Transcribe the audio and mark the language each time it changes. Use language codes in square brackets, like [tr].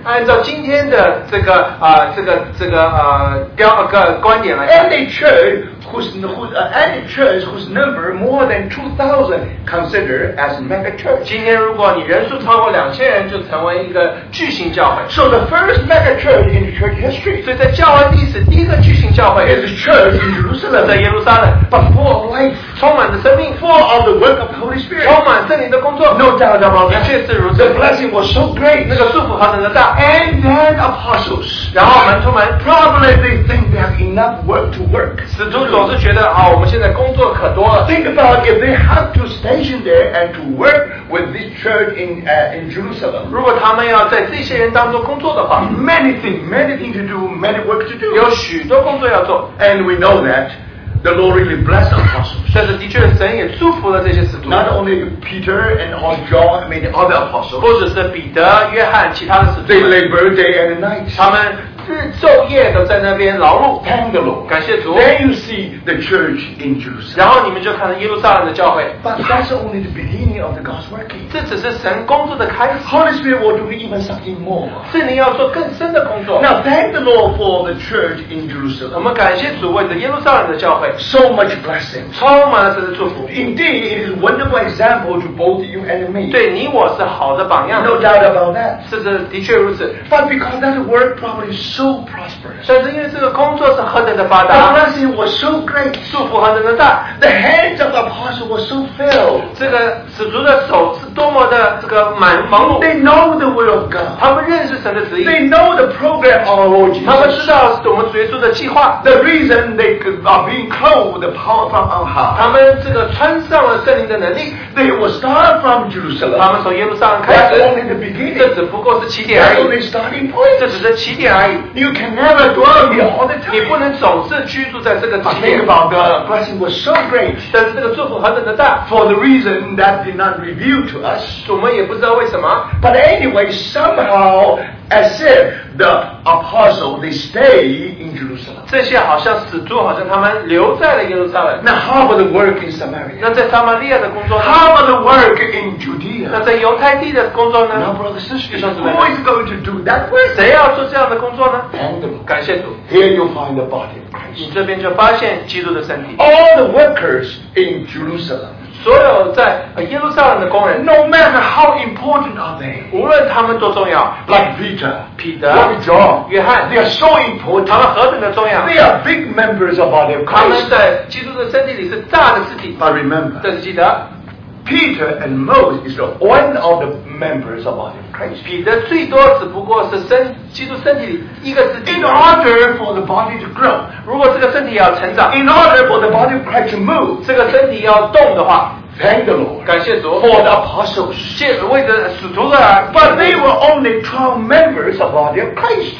[zh] 按照今天的这个观点来看, [en] any church whose number more than 2,000 considered as mega church. [zh] 今天如果你人数超过2,000人就成为一个巨型教会. [en] So the first mega church in church history. [zh] 所以在教会历史第一个巨型教会 [en] is the church in Jerusalem. [zh] 在耶路撒冷, [en] but full of life. [zh] 充满着生命, [en] full of the work of the Holy Spirit. [zh] 充满圣灵的工作, [en] no doubt about that. [zh] 确实如此, [en] the blessing was so great. [zh] 那个祝福何等的大, [en] and then apostles. [zh] 然后门徒们, [en] probably they think they have enough work to work. [zh] 总是觉得啊，我们现在工作可多了。 [en] Think about if they have to station there and to work with this church in Jerusalem. [zh] 如果他们要在这些人当中工作的话, [en] many things to do, many work to do. [zh] 有许多工作要做, [en] and we know that the Lord really blessed the apostles. [zh] 但是的确神也祝福了这些使徒. [en] Not only Peter and all John, I mean the other apostles. [zh] 或者是彼得、约翰其他的使徒. [en] They labor day and night. [zh] 他们 日昼夜都在那边劳碌, [en] thank the Lord. [zh] 感谢主, [en] then you see the church in Jerusalem. [zh] 然后你们就看到耶路撒冷的教会. [en] But that's only the beginning of the God's working. [zh] 这只是神工作的开始. [en] Holy Spirit will do even something more. [zh] 圣灵要做更深的工作. [en] Now thank the Lord for the church in Jerusalem. [zh] 我们感谢主为着耶路撒冷的教会. [en] So much blessing. [zh] 充满了神的祝福. [en] Indeed, it is a wonderful example to both you and me. [zh] 对你我是好的榜样. [en] No doubt about that. [zh] 是的确如此. [en] But because that word probably so prosperous. [zh] 但是因为这个工作是何等的发达, [en] the blessing was so great. [zh] 祝福何等的大, [en] the hands of the apostle was so filled. [zh] 这个使徒的手是多么的这个忙碌, [en] they know the will of God. [zh] 他们认识神的旨意, [en] they know the program of our Lord Jesus. [zh] 他们知道我们主耶稣的计划, [en] the reason they are being clothed with the power from on high. [zh] 他们这个穿上了圣灵的能力, [en] they will start from Jerusalem. [zh] 他们从耶路撒冷开始, [en] that's only the beginning. [zh] 这只不过是起点而已, [en] that's only starting point. [zh] 这只是起点而已. [en] You can never dwell here all the time. [zh] 你不能总是居住在这个地方. [en] Think about the blessing was so great. [zh] 但是这个祝福何等的大, [en] for the reason that did not reveal to us. [zh] 我们也不知道为什么. [en] But anyway, somehow, as if the apostles, they stay in Jerusalem. [zh] 这些好像使徒好像他们留在了耶路撒冷. [en] Now how about the work in Samaria? [zh] 那在撒玛利亚的工作呢? [en] How about the work in Judea? [zh] 那在犹太地的工作呢? [en] Now brothers and sisters, who is going to do that work? [zh] 谁要做这样的工作呢? [en] Thank them. [zh] 感谢主. [en] Here you find the body of Christ. [zh] 你这边就发现基督的身体. [en] All the workers in Jerusalem. [zh] 所有在耶路撒冷的工人, [en] no matter how important are they, [zh] 无论他们多重要, [en] like Peter, Peter, like John, [zh] 约翰, [en] they are so important, [zh] 他们何等的重要, [en] they are big members of our Christ. But remember, [zh] 但是记得, [en] Peter and Moses is one of the members of our Christ. [zh] 彼得最多只不过是基督身体里一个肢体, [en] in order for the body to grow, [zh] 如果这个身体要成长, [en] in order for the body of Christ to move, [zh] 这个身体要动的话, [en] thank the Lord, [zh] 感谢主, [en] for the apostles, [zh] 借为着使徒而, [en] but they were only 12 members of body of Christ.